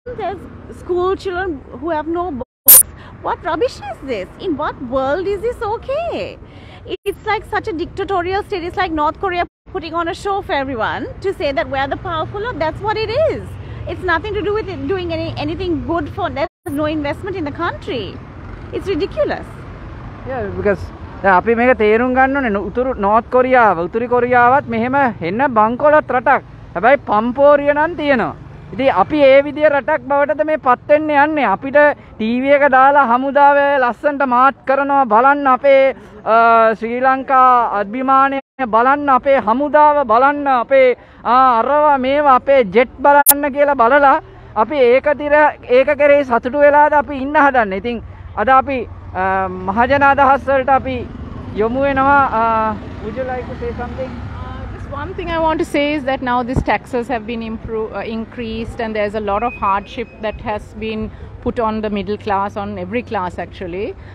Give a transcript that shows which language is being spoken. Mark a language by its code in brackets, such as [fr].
[en] There's school children who have no books. What rubbish is this? In what world is this okay? It's like such a dictatorial state. It's like North Korea putting on a show for everyone to say that we're the powerful lot. That's what it is. It's nothing to do with it doing anything good for. There's no investment in the country. It's ridiculous. Yeah, because [si] අපි මේක තේරුම් ගන්න ඕනේ. උතුරු නෝත් කොරියාව, උතුරු කොරියාවත් මෙහෙම එන්න බංකොලොත් රටක්. හැබැයි පම්පෝරිය නම් තියෙනවා. ඉතින් අපි ඒ විදිය රටක් බවටද මේ පත් වෙන්න යන්නේ? අපිට ටීවී එක දාලා හමුදාවේ ලස්සන්ට මාත් කරනවා බලන්න, අපේ ශ්‍රී ලංකා අභිමානය බලන්න, අපේ හමුදාව බලන්න, අපේ අරව මේව අපේ ජෙට් බලන්න කියලා බලලා අපි ඒක කෙරෙහි සතුටු වෙලාද අපි ඉන්න හදන්නේ? ඉතින් අද අපි මහජන අදහස් වලට අපි යොමු වෙනවා. [en] Would you like to say something? One thing I want to say is that now these taxes have been increased and there's a lot of hardship that has been put on the middle class, on every class actually.